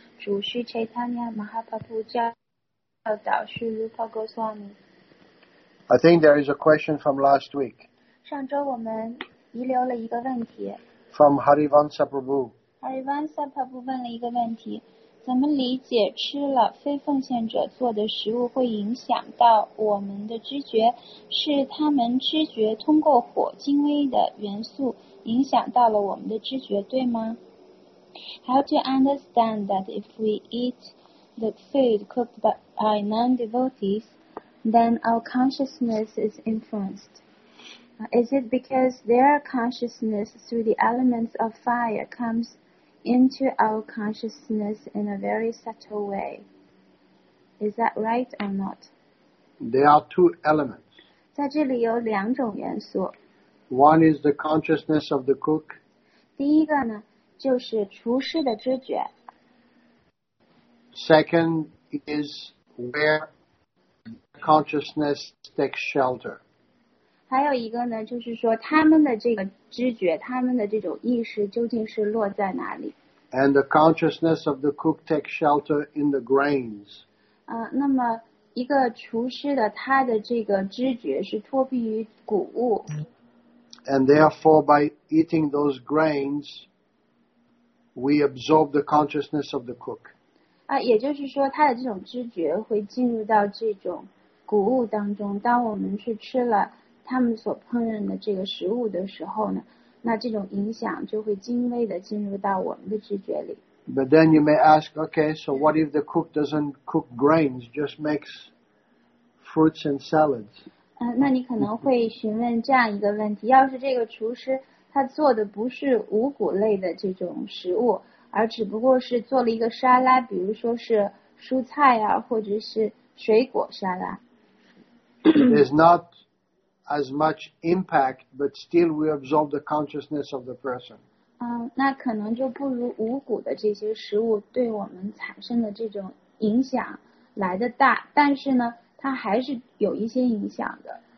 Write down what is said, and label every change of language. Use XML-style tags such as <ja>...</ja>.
<zh>主须切他尼亚马哈帕布教导须卢帕格斯瓦米。</zh> <en>I think there is a question from last week.</en> <zh>上周我们遗留了一个问题。</zh> <en>From Harivansa Prabhu.</en> <zh>Harivansa Prabhu 问了一个问题：怎么理解吃了非奉献者做的食物会影响到我们的知觉？是他们知觉通过火精微的元素影响到了我们的知觉，对吗？</zh> <en>How to understand that if we eat the food cooked by non-devotees, then our consciousness is influenced? Is it because their consciousness through the elements of fire comes into our consciousness in a very subtle way? Is that right or not? There are two elements.</en> <zh>在这里有两种元素。</zh> <en>One is the consciousness of the cook.</en> <zh>第一个呢就是厨师的知觉。</zh> <en>Second is where consciousness takes shelter.</en> <zh>还有一个呢，就是说他们的这个知觉，他们的这种意识究竟是落在哪里。</zh> <en>And the consciousness of the cook takes shelter in the grains.</en> <zh>那么一个厨师的他的这个知觉是托庇于谷物。</zh> <en>And therefore, by eating those grains,We absorb the consciousness of the cook.</en> <zh>也就是说他的这种知觉会进入到这种谷物当中，当我们去吃了他们所烹饪的这个食物的时候呢，那这种影响就会精微的进入到我们的知觉里。</zh> <en>But then you may ask, okay, so what if the cook doesn't cook grains, just makes fruits and salads?</en> <zh>那你可能会询问这样一个问题，要是这个厨师他做的不是五谷类的这种食物，而只不过是做了一个沙拉，比如说是蔬菜啊，或者是水果沙拉。</zh> <en>There's not as much impact, but still we absorb the consciousness of the person.</en> <zh>那可能就不如五谷的这些食物对我们产生的这种影响来的大，但是呢，它还是有一些影响的。</zh>